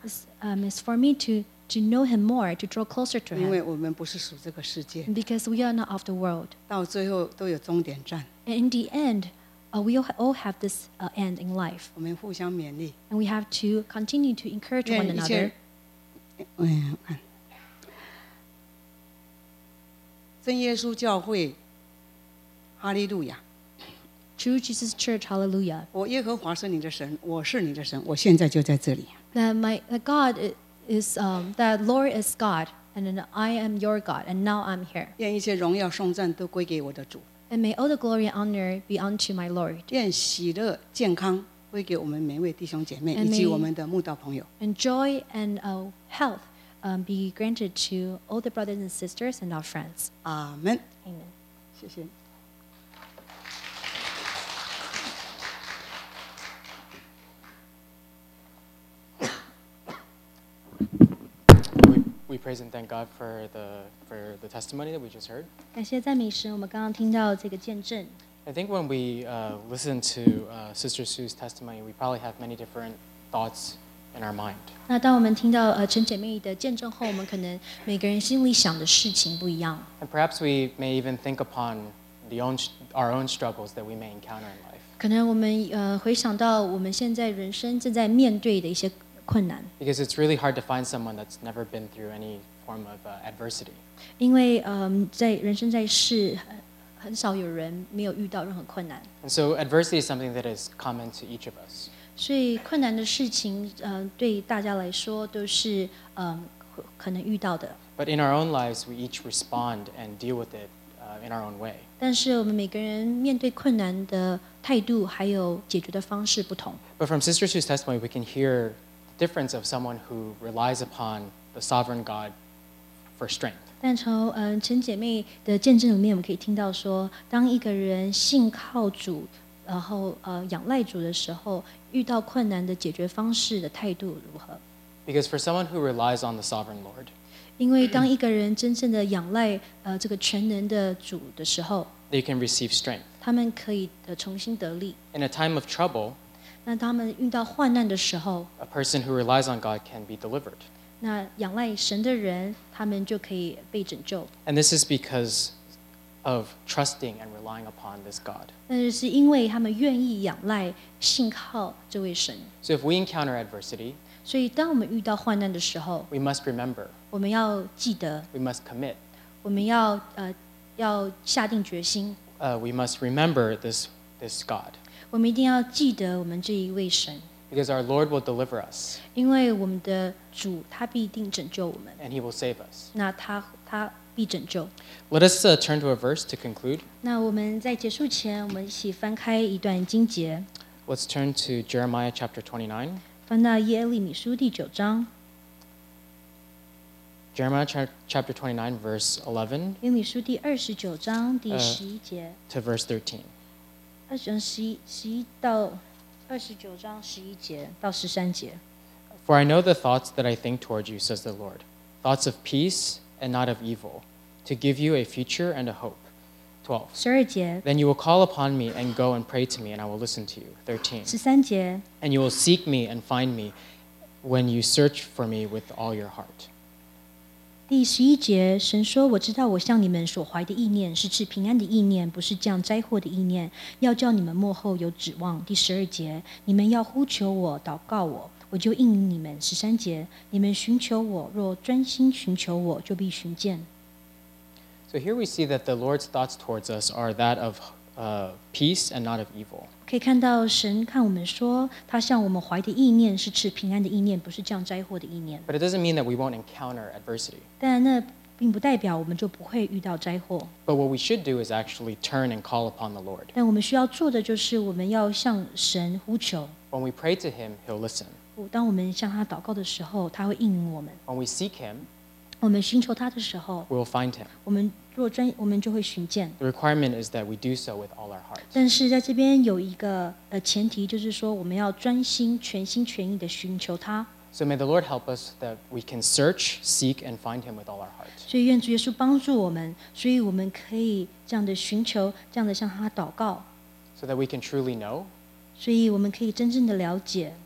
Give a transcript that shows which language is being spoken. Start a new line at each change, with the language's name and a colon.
English: It's for me to know Him more, to draw closer to Him.
Chinese: 因为我们不是属这个世界。
English: Because we are not of the world.
Chinese: 到最后都有终点站。
English: And in the end, we all have this end in life.
Chinese: 我们互相勉励。
English: And we have to continue to encourage one another.
Chinese: 真耶稣教会哈利路亚
English: True Jesus Church, hallelujah
Chinese: 我耶和华是你的神我是你的神我现在就在这里
English: That God is that Lord is God and I am your God and now I'm here
Chinese: 愿一切荣耀颂赞都归给我的主
English: And may all the glory and honor be unto my Lord
Chinese: 愿喜乐健康归给我们每位弟兄姐妹以及我们的慕道朋友
English: And joy and health be granted to all the brothers and sisters and our friends Amen Amen
Chinese: 谢谢
English: We praise and thank God for the testimony that we just heard
Chinese: 感谢赞美神我们刚刚听到这个见证
English: I think when we listen to Sister Sue's testimony, we probably have many different thoughts in our mind.
Chinese: 那当我们听到陈姐妹的见证后，我们可能每个人心里想的事情不一样。
English: And perhaps we may even think upon our own struggles that we may encounter in life.
Chinese: 可能我们回想到我们现在人生正在面对的一些困难。
English: Because it's really hard to find someone that's never been through any form of adversity.
Chinese: 因为在人生在世。很少有人没有遇到任何困难。
English: And so adversity is something that is common to each of us.
Chinese: 所以困难的事情，对大家来说都是可能遇到的。
English: But in our own lives, we each respond and deal with it in our own way.
Chinese: 但是我们每个人面对困难的态度还有解决的方式不同。
English: But from Sister Sue's testimony, we can hear the difference of someone who relies upon the sovereign God for strength.
Chinese: 但从陈姐妹的见证里面，我们可以听到说，当一个人信靠主，然后仰赖主的时候，遇到困难的解决方式的态度如何
English: ？Because for someone who relies on the sovereign Lord，
Chinese: 因为当一个人真正的仰赖这个全能的主的时候
English: ，they can receive strength，
Chinese: 他们可以重新得力。
English: In a time of trouble，
Chinese: 那他们遇到患难的时候
English: ，a person who relies on God can be delivered。
Chinese: 那仰赖神的人，他们就可以被拯救。
English: And this is because of trusting and relying upon this God.
Chinese: 但是因为他们愿意仰赖、信靠这位神。
English: So if we encounter adversity,
Chinese: 所以当我们遇到患难的时候
English: ，we must remember.
Chinese: 我们要记得。
English: We must commit.
Chinese: 我们要下定决心。
English: We must remember this God.
Chinese: 我们一定要记得我们这一位神。
English: Because our Lord will deliver us.
Chinese: 因为我们的主他必定拯救我们。
English: And He will save us.
Chinese: 那他必拯救。
English: Let us turn to a verse to conclude.
Chinese: 那我们在结束前，我们一起翻开一段经节。
English: Let's turn to Jeremiah chapter 29.
Chinese: 翻到耶利米书第九章。
English: Jeremiah chapter 29 verse 11.
Chinese: 耶利米书第二十九章第十一节。
English: To verse 13.
Chinese: 二十章十一到。二十九章十一节到十三节。
English: For I know the thoughts that I think toward you, says the Lord, thoughts of peace and not of evil, to give you a future and a hope. 12.
Chinese: 十二节。
English: Then you will call upon me and go and pray to me, and I will listen to you. 13.
Chinese: 十三节。
English: And you will seek me and find me when you search for me with all your heart.
Chinese: 第十一节，神说：“我知道我向你们所怀的意念是赐平安的意念，不是降灾祸的意念，要叫你们末后有指望。” 第十二节，你们要呼求我、祷告我，我就应你们。十三节，你们寻求我，若专心寻求我，就必寻见。
English: So here we see that the Lord's thoughts towards us are that of peace and not of evil.
Chinese: 可以看到神看我们说，他向我们怀的意念是赐平安的意念，不是降灾祸的意念。
English: But it doesn't mean that we won't encounter adversity.
Chinese: 但那并不代表我们就不会遇到灾祸。
English: But what we should do is actually turn and call upon the Lord.
Chinese: 但我们需要做的就是我们要向神呼求。
English: When we pray to him, he'll listen.
Chinese: 当我们向他祷告的时候，他会应我们。
English: When we seek him,
Chinese: 我们寻求他的时候
English: we'll find him.
Chinese: 我们就会寻见。
English: The requirement is that we do so with all our hearts.
Chinese: 但是在这边有一个前提，就是说我们要专心、全心全意的寻求他。
English: So may the Lord help us that we can search, seek, and find Him with all our hearts.
Chinese: 所以愿主耶稣帮助我们，所以我们可以这样的寻求，这样的向他祷告。
English: So that we can truly know.
Chinese: 所以我们可以真正的了解。